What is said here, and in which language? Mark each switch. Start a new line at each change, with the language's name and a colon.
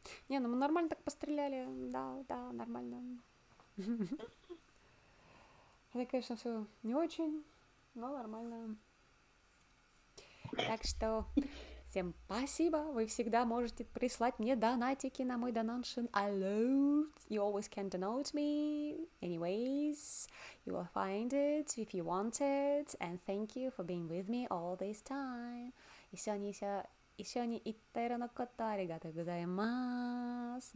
Russian: Не, ну мы нормально так постреляли. Да, да, нормально. Это, конечно, все не очень, но нормально. Так что всем спасибо. Вы всегда можете прислать мне донатики на мой донаншн.
English: Hello. You always can donate me. Anyways, you will find it if you want it. And thank you for being with me all this time.
Japanese: 一緒に行っているのことありがとうございます。